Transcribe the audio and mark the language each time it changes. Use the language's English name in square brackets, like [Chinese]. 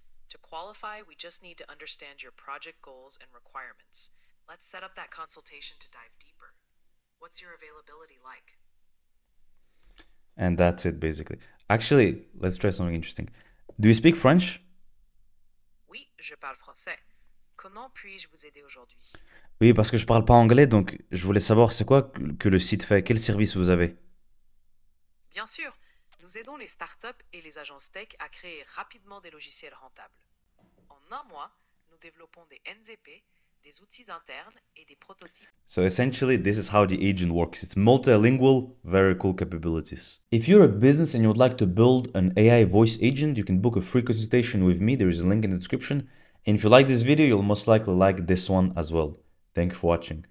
[English] To qualify, we just need to understand your project goals and requirements. Let's set up that consultation to dive deeper. What's your availability like? And that's it, basically. Actually, let's try something interesting. Do you speak French? [French] Oui, je parle français. Comment puis-je vous aider aujourd'hui? Oui, parce que je parle pas anglais, donc je voulais savoir c'est quoi que le site fait, quel service vous avez. Bien sûr, nous aidons les startups et les agences tech à créer rapidement des logiciels rentables. En un mois, nous développons des MVP, des outils internes et des prototypes. [English] So essentially, this is how the agent works. It's multilingual, very cool capabilities. If you're a business and you would like to build an AI voice agent, you can book a free consultation with me. There is a link in the description. And if you like this video, you'll most likely like this one as well. Thank you for watching.